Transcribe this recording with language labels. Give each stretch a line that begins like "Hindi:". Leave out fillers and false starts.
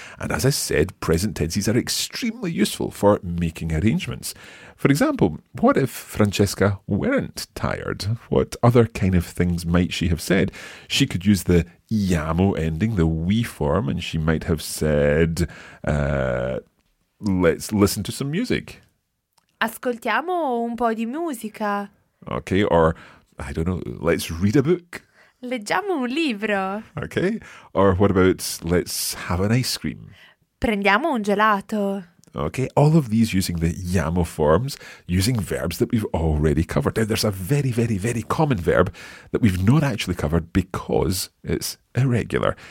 English: And as I said, present tenses are extremely useful for making arrangements. For example, what if Francesca weren't tired? What other kind of things might she have said? She could use the iamo ending, the we form, and she might have said, let's listen to some music.
Italian: Ascoltiamo un po' di musica.
English: Okay, or, I don't know, let's read a book.
Italian: Leggiamo un libro.
English: Okay, or what about let's have an ice cream?
Italian: Prendiamo un gelato.
English: Okay, all of these using the iamo forms, using verbs that we've already covered. Now, there's a very, very, very common verb that we've not actually covered because it's irregular.